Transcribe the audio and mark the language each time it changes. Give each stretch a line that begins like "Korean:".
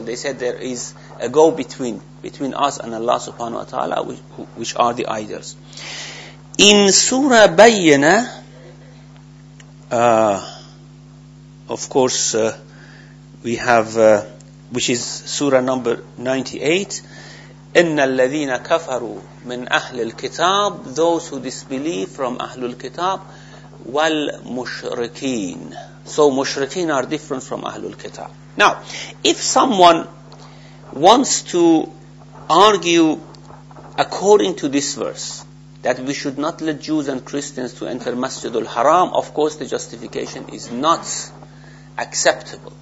English: They said there is a go between us and Allah subhanahu wa ta'ala, which are the idols. In Surah Bayyinah, of course, we have, which is Surah number 98.
Arabic: إِنَّ الَّذِينَ كَفَرُوا مِنْ أَهْلِ الْكِتَابِ,
English: those who disbelieve from
Arabic: أَهْلُ الْكِتَابِ, وَالْمُشْرِكِينَ.
English: So mushrikeen are different from أَهْلُ الْكِتَابِ. Now, if someone wants to argue according to this verse, that we should not let Jews and Christians to enter Masjid al-Haram, of course the justification is not acceptable.